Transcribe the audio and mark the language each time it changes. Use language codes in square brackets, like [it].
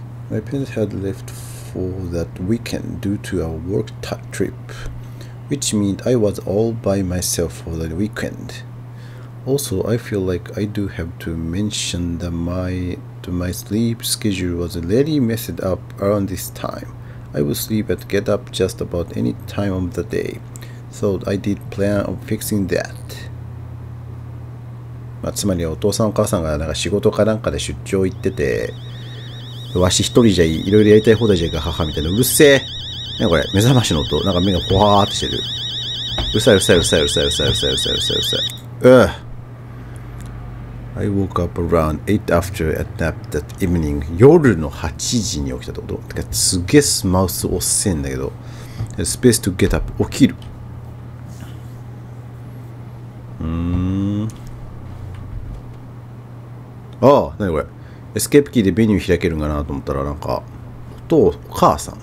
[en] My parents had left for that weekend due to a work trip, which means I was all by myself for the weekend. Also, I feel like I do have to mention that my sleep schedule was really messed up around this time. I would sleep and get up just about any time of the day. So I did plan on fixing that. [ja] まあ、つまりお父さんお母さんがなんか仕事かなんかで出張行ってて、わし一人じゃいろいろやりたい放題じゃいか母みたいな、うるせえ。ね、これ目覚ましの音、なんか目がホワーってしてる。うるさいうるさいうるさいうるさいうるさいうるさいうるさい。 [en] I woke up around 8 after a nap that evening. [ja] 夜の8時に起きたってこと？てかすげえスマウス遅いんだけど。 [en] スペース to get up. [ja] 起きる。ああ、なにこれ。エスケープキーでメニュー開けるんかなと思ったら、なんか、お母さん。